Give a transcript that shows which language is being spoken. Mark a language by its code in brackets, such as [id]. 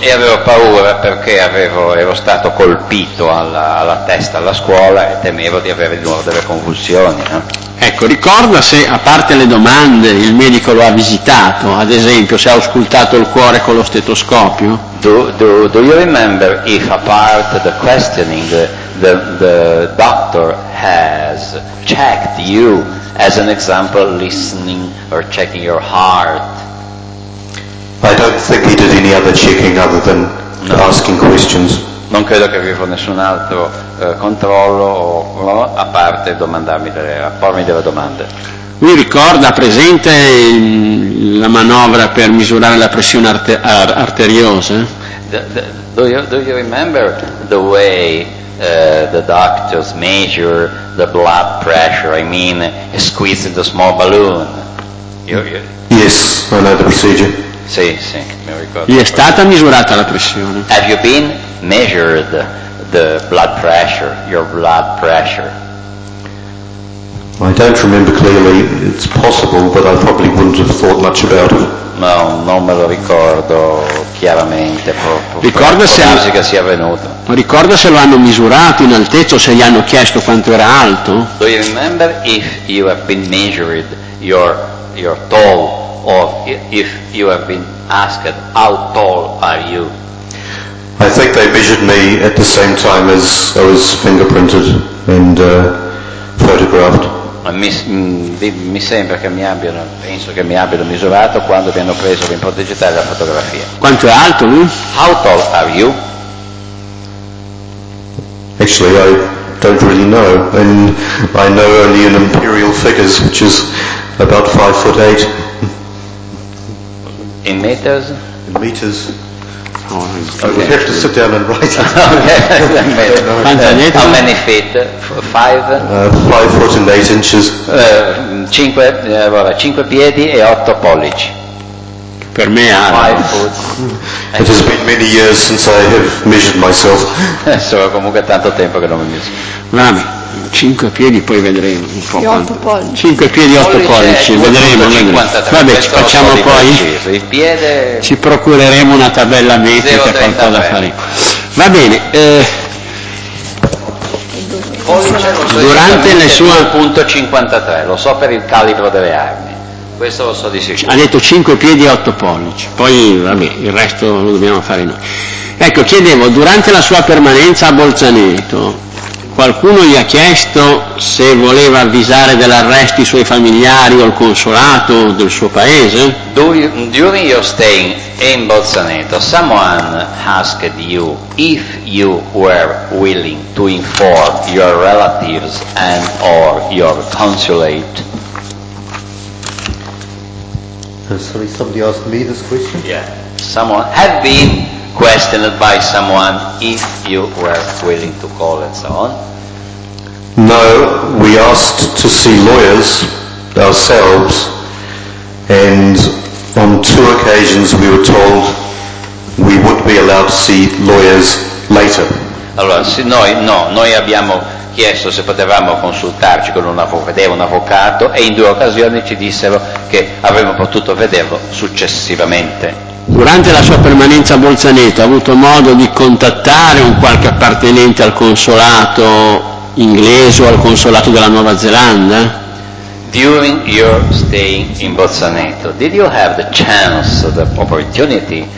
[it] E avevo paura perché ero stato colpito alla testa alla scuola e temevo di avere di nuovo delle convulsioni. Ecco, ricorda se, a parte le domande, il medico lo ha visitato, ad esempio, se ha auscultato il cuore con lo stetoscopio? [en] Do you remember if, apart the questioning, the doctor has checked you, as an example, listening or checking your heart? I don't think he did any other checking other than asking questions. [it] Non credo che avevo nessun altro controllo a parte domandarmi delle domande. Lui ricorda presente la manovra per misurare la pressione arteriosa? [en] Do you remember the way the doctors measure the blood pressure? I mean, squeeze the small balloon. Yes, I know the procedure. [it] Sì, mi ricordo. Gli è stata misurata la pressione? [en] Have you been measured the blood pressure, your blood pressure? I don't remember clearly. It's possible, but I probably wouldn't have thought much about it. [it] No, non me lo ricordo chiaramente. Ricorda se lo hanno misurato in altezza o se gli hanno chiesto quanto era alto? [en] Do you remember if you have been measured your tall, or if you have been asked how tall are you? I think they measured me at the same time as I was fingerprinted and photographed. [it] mi sembra che mi abbiano, penso che mi abbiano misurato quando mi hanno preso per improntigitare la fotografia. Quanto è alto lui? [en] How tall are you? Actually, I don't really know, and I know only in imperial figures, which is about 5'8". In meters? In meters. Oh, okay. We have to sit down and write it. Okay. How many feet? 5'8". [it] 5 piedi e 8 pollici. Per me è [en] 5 foot. It has been many years since I have measured myself. [it] Sono comunque tanto tempo che non mi misuro. Vabbè, 5 piedi, poi vedremo un po'. 8 pollici. 5 piedi, 8 pollici, vedremo. Vabbè, ci facciamo poi. Il piede. Ci procureremo una tabella metrica, qualcosa faremo. Va bene. Durante le sue. 1.53, lo so per il calibro delle armi. Questo lo so di sicuro. Ha detto 5 piedi e 8 pollici, poi vabbè, il resto lo dobbiamo fare noi. Ecco, chiedevo, durante la sua permanenza a Bolzaneto, qualcuno gli ha chiesto se voleva avvisare dell'arresto i suoi familiari o il consolato del suo paese? [en] During your stay in Bolzaneto, someone asked you if you were willing to inform your relatives and or your consulate. Sorry, somebody asked me this question? Yeah. Someone had been questioned by someone if you were willing to call and so on. No, we asked to see lawyers ourselves, and on two occasions we were told we would be allowed to see lawyers later. [it] Allora, se noi, no, noi abbiamo chiesto se potevamo consultarci con un avvocato, e in due occasioni ci dissero che avremmo potuto vederlo successivamente. Durante la sua permanenza a Bolzaneto ha avuto modo di contattare un qualche appartenente al consolato inglese o al consolato della Nuova Zelanda? [en] During your stay in Bolzaneto, did you have the chance, the opportunity,